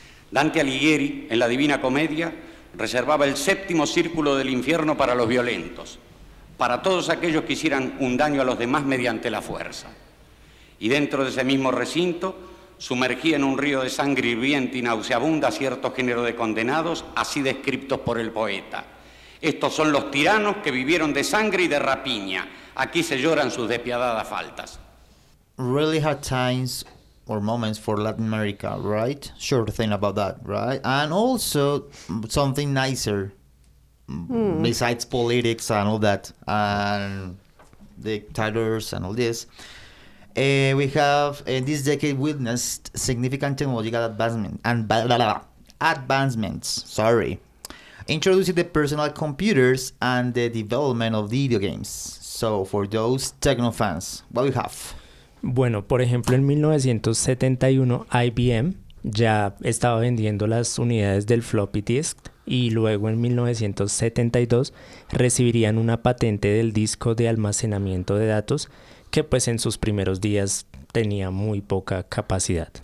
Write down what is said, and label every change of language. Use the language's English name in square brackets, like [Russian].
[Spanish] Dante Alighieri, en la Divina Comedia, reservaba el séptimo círculo del infierno para los violentos, para todos aquellos que hicieran un daño a los demás mediante la fuerza. Y dentro de ese mismo recinto, sumergía en un río de sangre hirviente y nauseabunda cierto género de condenados, así descriptos por el poeta. Estos son los tiranos que vivieron de sangre y de rapiña. Aquí se lloran sus despiadadas faltas. [English] Really hard times or moments for Latin America, right? Sure thing about that, right? And also something nicer besides politics and all that and dictators and all this. We have in this decade witnessed significant technological advancements. Introducing the personal computers and the development of video games. So, for those techno fans, what do you have? [Spanish] Bueno, por ejemplo, en 1971, IBM, ya estaba vendiendo las unidades del floppy disk y luego en 1972 recibirían una patente del disco de almacenamiento de datos que pues en sus primeros días tenía muy poca capacidad.